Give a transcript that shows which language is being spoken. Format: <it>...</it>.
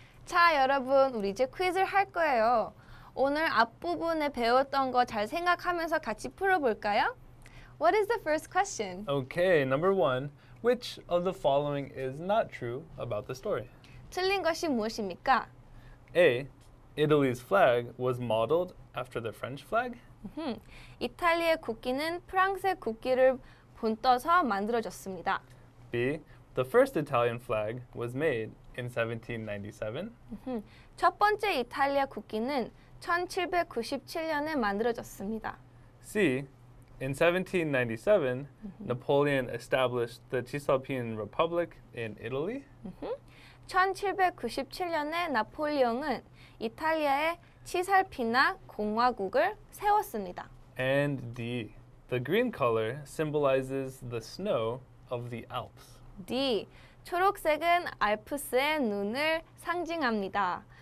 <ko>Hi, 여러분, 우리 이제 퀴즈를 할 거예요. 오늘 앞부분에 배웠던 거 잘 생각하면서 같이 풀어볼까요?</ko> <en>What is the first question? Okay, number one. Which of the following is not true about the story?</en> <ko>틀린 것이 무엇입니까?</ko> <en>A. Italy's flag was modeled after the French flag.</en> <ko>이탈리아의 국기는 프랑스의 국기를 본떠서 만들어졌습니다.</ko> <en>B. The first Italian flag was made in 1797.</en> <ko>첫 번째 이탈리아 국기는 1797년에 만들어졌습니다.</ko> <en>C. In 1797, Napoleon established the Cisalpine Republic in Italy.</en> <ko>1797년에 나폴레옹은 이탈리아의 치살피나 공화국을 세웠습니다.</ko> <en>And D. The green color symbolizes the snow of the Alps. D.</en> <ko>초록색은 알프스의 눈을 상징합니다.</ko>